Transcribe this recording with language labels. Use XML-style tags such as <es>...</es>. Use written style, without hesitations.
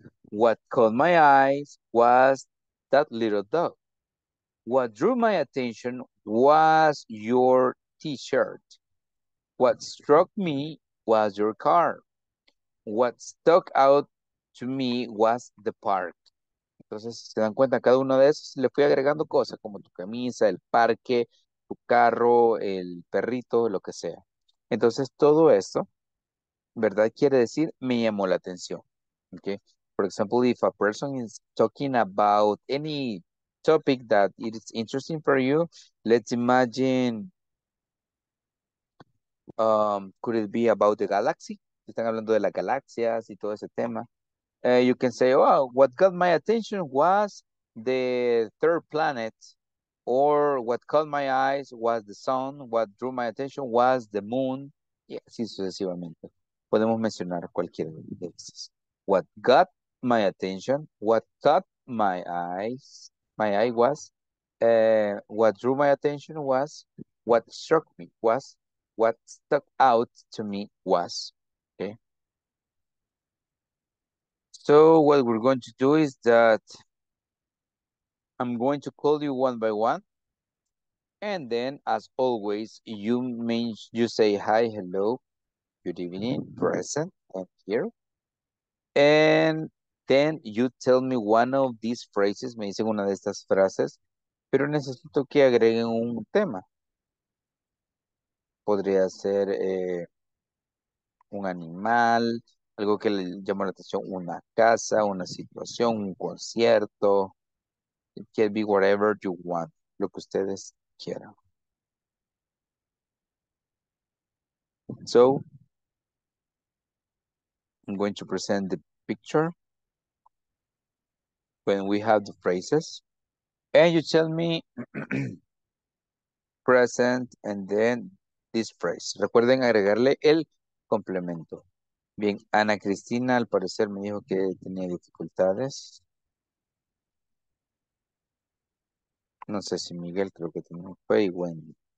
<en>What caught my eyes was that little dog. What drew my attention was your t-shirt. What struck me was your car. What stuck out to me was the park.</en> <es>Entonces, se dan cuenta, cada uno de esos le fui agregando cosas, como tu camisa, el parque, tu carro, el perrito, lo que sea. Entonces, todo esto, ¿verdad? Quiere decir, me llamó la atención. Okay?</es> <en>For example, if a person is talking about any topic that is interesting for you, let's imagine, could it be about the galaxy?</en> <es>Están hablando de las galaxias y todo ese tema.</es> <en>You can say, oh, what got my attention was the third planet, or what caught my eyes was the sun, what drew my attention was the moon,</en> <es>y así sucesivamente. Podemos mencionar cualquiera de esas.</es> <en>What got my attention, what caught my eye was, what drew my attention was, what struck me was, what stuck out to me was, okay? So what we're going to do is that I'm going to call you one by one, and then, as always, you say hi, hello, good evening, present, I'm here, and then you tell me one of these phrases,</en> <es>me dicen una de estas frases, pero necesito que agreguen un tema. Podría ser un animal, algo que le llama la atención, una casa, una situación, un concierto.</es> <en>It can be whatever you want,</en> <es>lo que ustedes quieran.</es> <en>So, I'm going to present the picture when we have the phrases. And you tell me present and then this phrase.</en> <es>Recuerden agregarle el complemento. Bien, Ana Cristina, al parecer, me dijo que tenía dificultades. No sé si Miguel, creo que también fue, y Wendy.</es>